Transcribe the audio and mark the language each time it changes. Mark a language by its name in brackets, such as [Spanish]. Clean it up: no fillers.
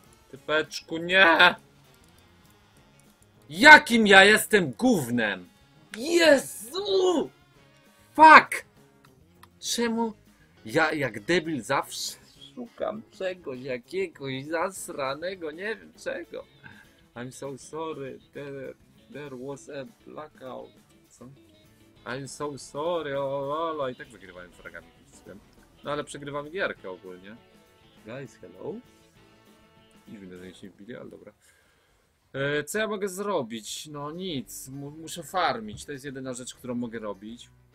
[Polish] Typeczku, nie! Jakim ja jestem gównem? Jezu! [English] Fuck! [Polish] Czemu ja jak debil zawsze szukam czegoś jakiegoś zasranego, nie wiem czego. [English] I'm so sorry, there was a blackout. [Polish] Co? [English] I'm so sorry, olala. [Polish] I tak wygrywałem fragami. No ale przegrywam gierkę ogólnie. [English] Guys, hello? [Polish] Nie wiem, że się wbili, ale dobra. Co ja mogę zrobić? No nic, muszę farmić. To jest jedyna rzecz, którą mogę robić.